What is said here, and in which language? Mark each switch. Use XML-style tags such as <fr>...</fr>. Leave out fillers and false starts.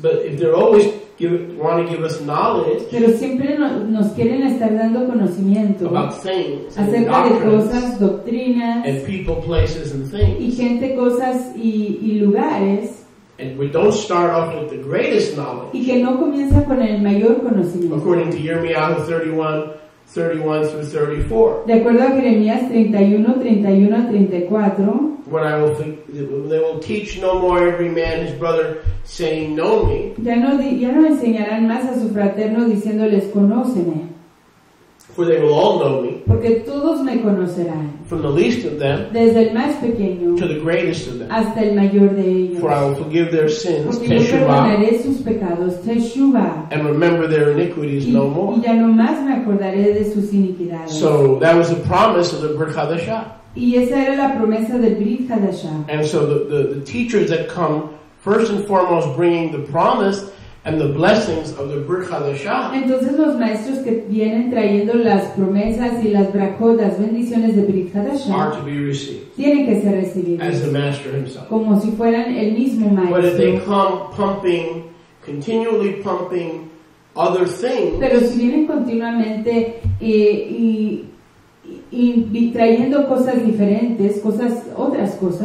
<en>But if they're always want to give us knowledge.</en> <es>Pero siempre nos quieren estar dando conocimiento.</es> <en>About things.</en> <es>Acerca de cosas, doctrinas.</es> <en>And people, places, and things.</en> <es>Y gente, cosas y lugares.</es> <en>And we don't start off with the greatest knowledge.</en> <es>Y que no comienza con el mayor conocimiento.</es> <en>According to Jeremiah 31:31-34.</en> <es>De acuerdo a Jeremías 31:31-34.</es> <en>They will teach no more every man his brother saying know me.</en> <es>Ya no enseñarán más a su fraterno diciéndoles conóceme.</es> <en>For they will all know me.</en> <es>Porque todos me conocerán.</es> <en>From the least of them.</en> <es>Desde el más pequeño.</es> <en>To the greatest of them.</en> <es>Hasta el mayor de ellos.</es> <en>For I will forgive their sins.</en> <es>Porque teshuva, yo perdonaré sus pecados. Teshuva.</es> <en>And remember their iniquities</en> <es>y,</es> <en>no more.</en> <es>Y ya no más me acordaré de sus iniquidades.</es> <en>So that was the promise of the Brit Hadashah.</en> <es>Y esa era la promesa del Brit Hadashah.</es> <en>And so the teachers that come, first and foremost, bringing the promise and the blessings of the Brit Hadashah.</en> <es>Entonces los maestros que vienen trayendo las promesas y las brachodas, bendiciones de Brit Hadashah,</es> <en>are to be received.</en> <es>Tienen que ser recibidos.</es> <en>As the master himself.</en> <es>Como si fueran el mismo maestro.</es> <en>But if they come pumping, continually pumping other things.</en> <es>Pero si vienen continuamente y trayendo cosas diferentes, cosas, otras cosas.</es>